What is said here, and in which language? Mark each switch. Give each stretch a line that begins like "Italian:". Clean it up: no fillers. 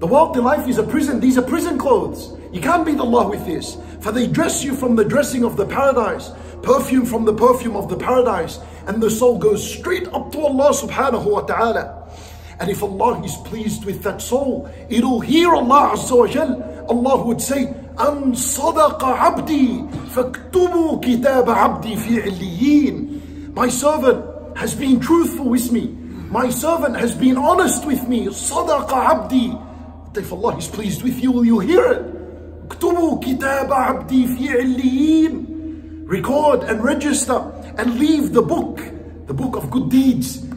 English: The worldly life is a prison. These are prison clothes. You can't meet Allah with this. For they dress you from the dressing of the paradise. Perfume from the perfume of the paradise. And the soul goes straight up to Allah subhanahu wa ta'ala. And if Allah is pleased with that soul, it'll hear Allah Azza wa Jal. Allah would say,
Arabic: أَنْ صَدَقَ عَبْدِي فَاكْتُبُوا كِتَابَ عَبْدِي فِي عِلِّيِّينَ.
English: My servant has been truthful with me. My servant has been honest with me.
Arabic: صَدَقَ عَبْدِي.
English: But if Allah is pleased with you, will you hear it?
Arabic: اكْتُبُوا كِتَابَ عَبْدِي فِي عِلِّيِّينَ.
English: Record and register and leave the book of good deeds.